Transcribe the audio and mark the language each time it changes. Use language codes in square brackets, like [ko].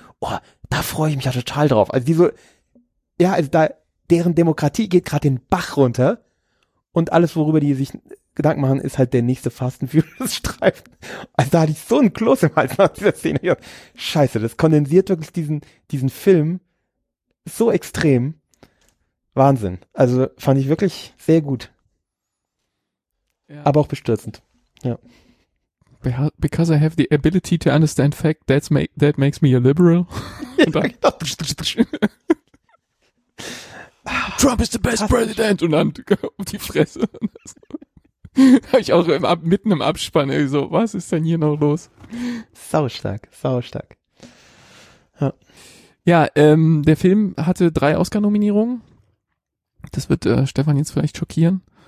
[de] Oh, da freue ich mich ja total drauf. Also die so, ja, also da, deren Demokratie geht gerade den Bach runter und alles, worüber die sich Gedanken machen, ist halt der nächste Fast and Furious-Streifen. Also da hatte ich so einen Kloß im Hals nach dieser Szene. Ja, scheiße, das kondensiert wirklich diesen Film so extrem. Wahnsinn. Also fand ich wirklich sehr gut. Ja. Aber auch bestürzend. Ja. [en] Because I have the ability to understand fact, that makes me a liberal. [de] Ja, genau. [en] Trump is the best president [de] und dann auf die Fresse. Habe ich auch mitten im Abspann irgendwie so, was ist denn hier noch los? Sau stark. Ja, der Film hatte 3 Oscar-Nominierungen. Das wird Stefan jetzt vielleicht schockieren.